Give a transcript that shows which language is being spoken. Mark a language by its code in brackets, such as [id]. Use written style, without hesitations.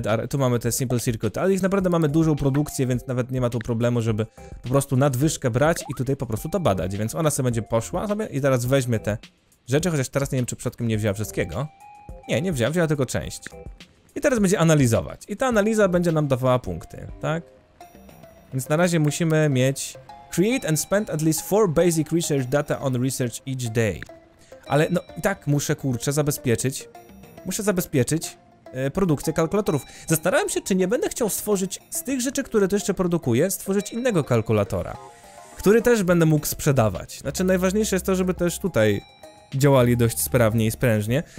[pl] Tu mamy te Simple Circuit, ale ich naprawdę mamy dużą produkcję, więc nawet nie ma tu problemu, żeby po prostu nadwyżkę brać i tutaj po prostu to badać. Więc ona sobie będzie poszła sobie i teraz weźmie te rzeczy, chociaż teraz nie wiem, czy przodkiem nie wzięła wszystkiego. Nie wzięła, wzięła tylko część. I teraz będzie analizować. I ta analiza będzie nam dawała punkty, tak? Więc na razie musimy mieć... [en] Create and spend at least 4 basic research data on research each day. [pl] Ale no i tak muszę, kurczę, zabezpieczyć... Muszę zabezpieczyć produkcję kalkulatorów. Zastanawiam się, czy nie będę chciał stworzyć z tych rzeczy, które tu jeszcze produkuję, stworzyć innego kalkulatora, który też będę mógł sprzedawać. Znaczy, najważniejsze jest to, żeby też tutaj działali dość sprawnie i sprężnie.